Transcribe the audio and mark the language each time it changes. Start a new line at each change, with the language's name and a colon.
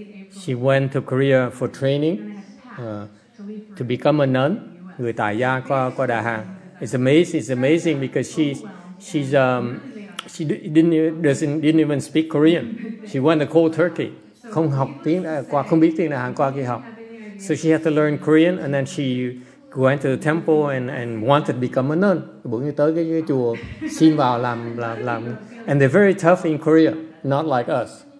English: She went to Korea for training to become a nun,
Vietnamese: người tại gia qua đại hàng.
English: It's amazing because she didn't even speak Korean. She went to cold turkey.
Vietnamese: Không học tiếng qua, không biết tiếng đại hàng qua kỳ học.
English: So she had to learn Korean and then she went to the temple and wanted to become a nun.
Vietnamese: Bữa nay tới cái chùa xin vào làm.
English: And they're very tough in Korea, not like us.